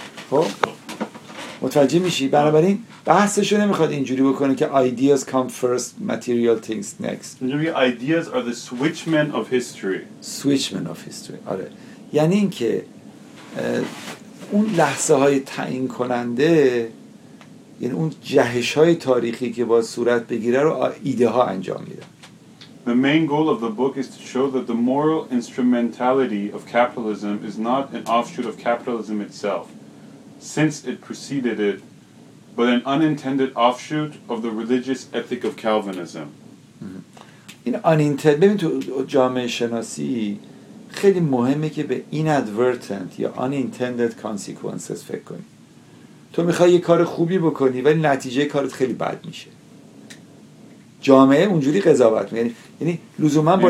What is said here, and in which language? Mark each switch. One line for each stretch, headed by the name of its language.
Persian: خب متوجه میشی؟ بنابراین بحثشو نمیخواد اینجوری بکنه که
English: ideas come first material things next. ideas are the switchmen of history. Switchmen of history. آره.
Persian: یعنی این که اون لحظه های تعیین کننده، یعنی اون جهش های تاریخی که با صورت بگیره رو ایده ها انجام میده.
English: The main goal of the book is to show that the moral instrumentality of capitalism is not an offshoot of capitalism itself, since it preceded it, but an unintended offshoot of the religious ethic of Calvinism.
Persian: این unintended، ببین تو جامعه شناسی خیلی مهمه که به inadvertent یا
English: unintended consequences
Persian: فکر کنی. تو میخوای یه کار خوبی بکنی ولی نتیجه کارت خیلی بد میشه. جامعه اونجوری قضاوت میکنه. یعنی لزوما با